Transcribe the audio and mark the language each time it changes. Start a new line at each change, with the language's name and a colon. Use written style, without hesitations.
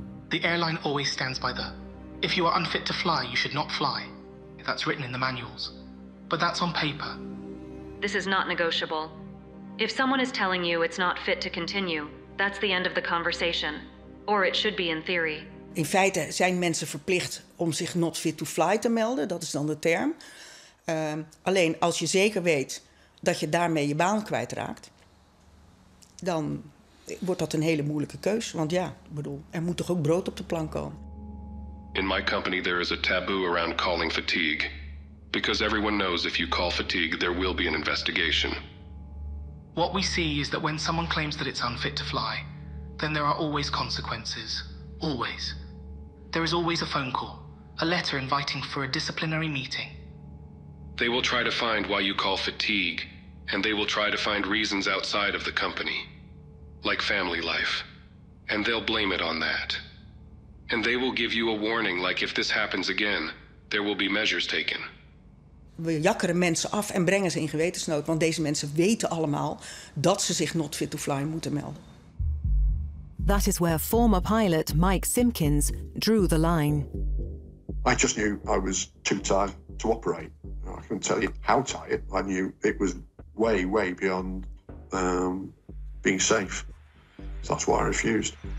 English: The airline always stands by the, if you are unfit to fly, you should not fly. That's written in the manuals. But that's on paper. This is not negotiable. If someone is telling you it's not fit to continue, that's the end of the conversation. Or it should be in theory.
Dutch: In feite zijn mensen verplicht om zich
English: not fit to fly
Dutch: te melden. Dat is dan de term. Alleen als je zeker weet dat je daarmee je baan kwijtraakt, dan wordt dat een hele moeilijke keus. Want ja, ik bedoel, er moet toch ook brood op de plank komen.
English: In my company there is a taboo around calling fatigue. Because everyone knows if you call fatigue, there will be an investigation. What we see is that when someone claims that it's unfit to fly, then there are always consequences. Always. There is always a phone call, a letter inviting for a disciplinary meeting. They will try to find why you call fatigue. And they will try to find reasons outside of the company, like family life. And they'll blame it on that. And they will give you a warning, like if this happens again, there will be measures taken.
Dutch: We jakkeren mensen af en brengen ze in gewetensnood, want deze mensen weten allemaal dat ze zich
English: not fit to fly
Dutch: moeten melden.
English: That is where former pilot Mike Simpkins drew the line. I just knew I was too tired to operate. I couldn't tell you how tired. I knew it was way, way beyond being safe. So that's why I refused.